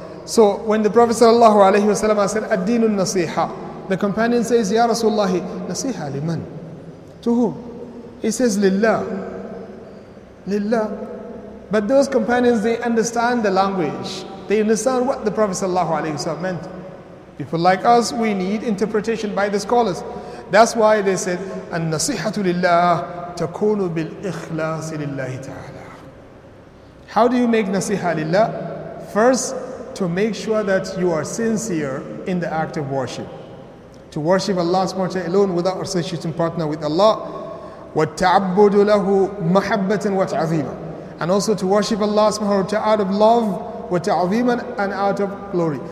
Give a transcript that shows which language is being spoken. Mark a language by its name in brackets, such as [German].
[English] So when the Prophet sallallahu alayhi wa sallam said, [Arabic] أَدِّينُ النَّصِيحَ, [English] the companion says, Ya Rasulullah, [Arabic] نَصِيحَ لِمَن? [English] To whom? He says, [Arabic] لِلَّه. لِلَّه. [English] But those companions, they understand the language. They understand what the Prophet sallallahu alayhi wa sallam meant. People like us, we need interpretation by the scholars. That's why they said, [Arabic] النَصِيحَةُ لِلَّهِ تَكُونُ بِالْإِخْلَاصِ لِلَّهِ تَعَالَىٰ. [English] How do you make nasiha lillah? First, to make sure that you are sincere in the act of worship. To worship Allah subhanahu wa ta'ala alone without associating partner with Allah. [Arabic] وَالتَّعَبُّدُ لَهُ مَحَبَّةً وَتَعَظِيمًا. [English] And also to worship Allah subhanahu wa ta'ala out of love, [Arabic] وَتَعَظِيمًا, [English] and out of glory.